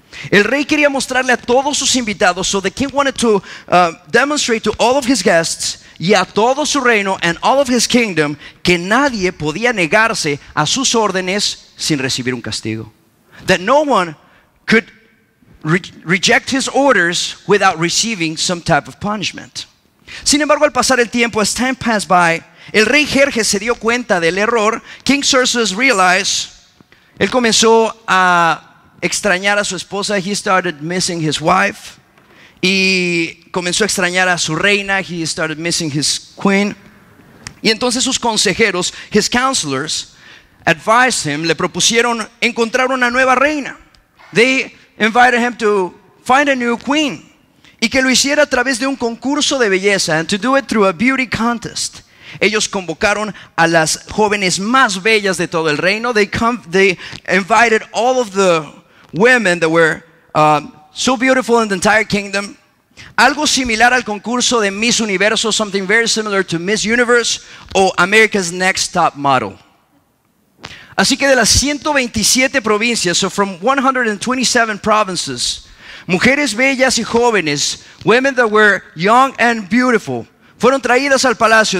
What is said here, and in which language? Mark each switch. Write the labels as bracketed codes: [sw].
[es] El rey quería mostrarle a todos sus invitados, [en] so the king wanted to demonstrate to all of his guests, [es] y a todo su reino, [en] and all of his kingdom, [es] que nadie podía negarse a sus órdenes sin recibir un castigo. [en] That no one could reject his orders without receiving some type of punishment. [es] Sin embargo, al pasar el tiempo, [en] as time passed by, [es] el rey Jerjes se dio cuenta del error. [en] King Xerxes realized, [es] él comenzó a extrañar a su esposa. [en] He started missing his wife. [es] Y comenzó a extrañar a su reina. [en] He started missing his queen. [es] Y entonces sus consejeros, [en] his counselors, advised him, [es] le propusieron encontrar una nueva reina. [en] They invited him to find a new queen. [es] Y que lo hiciera a través de un concurso de belleza. [en] And to do it through a beauty contest. [es] Ellos convocaron a las jóvenes más bellas de todo el reino. [en] They invited all of the women that were so beautiful in the entire kingdom. [es] Algo similar al concurso de Miss Universo, [en] something very similar to Miss Universe [es] o America's Next Top Model. Así que de las 127 provincias, [en] so from 127 provinces, [es] mujeres bellas y jóvenes, [en] women that were young and beautiful, [es] fueron traídas al palacio.